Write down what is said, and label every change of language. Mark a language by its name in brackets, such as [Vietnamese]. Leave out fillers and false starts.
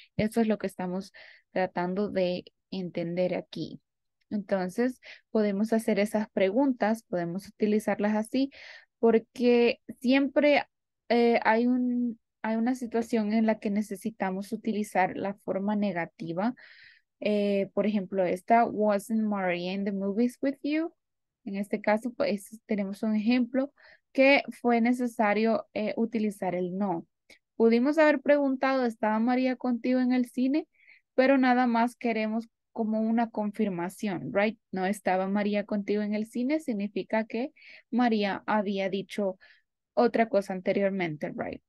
[Spanish] Eso es lo que estamos tratando de entender aquí. Entonces, podemos hacer esas preguntas, podemos utilizarlas así, porque siempre hay una situación en la que necesitamos utilizar la forma negativa. Por ejemplo, esta, [English] wasn't Maria in the movies with you? [Spanish] En este caso, pues, tenemos un ejemplo que fue necesario utilizar el no. Pudimos haber preguntado, ¿estaba María contigo en el cine? Pero nada más queremos como una confirmación, [English] right? [Spanish] No estaba María contigo en el cine, significa que María había dicho otra cosa anteriormente, [English] right?